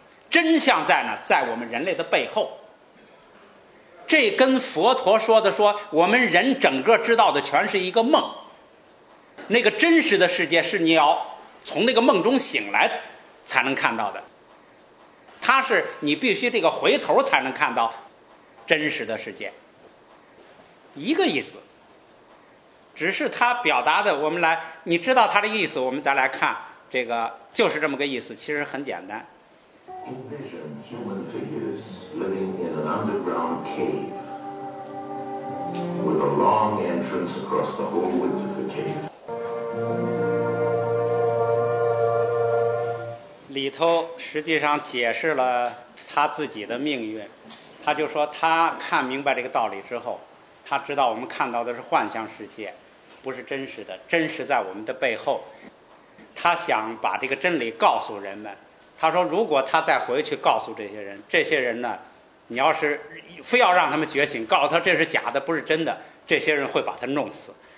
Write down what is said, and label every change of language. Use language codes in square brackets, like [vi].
[zh] 真相在呢，在我们人类的背后。这跟佛陀说的说，我们人整个知道的全是一个梦，那个真实的世界是你要从那个梦中醒来才能看到的，它是你必须这个回头才能看到真实的世界，一个意思。只是他表达的，我们来，你知道他的意思，我们再来看，这个就是这么个意思，其实很简单。 [en] Envision human figures living in an underground cave with a long entrance across the whole width of the cave. [zh] 里头实际上解释了他自己的命运，他就说他看明白这个道理之后，他知道我们看到的是幻象世界，不是真实的，真实在我们的背后。他想把这个真理告诉人们，他说如果他再回去告诉这些人呢，你要是非要让他们觉醒，告诉他这是假的，不是真的，这些人会把他弄死。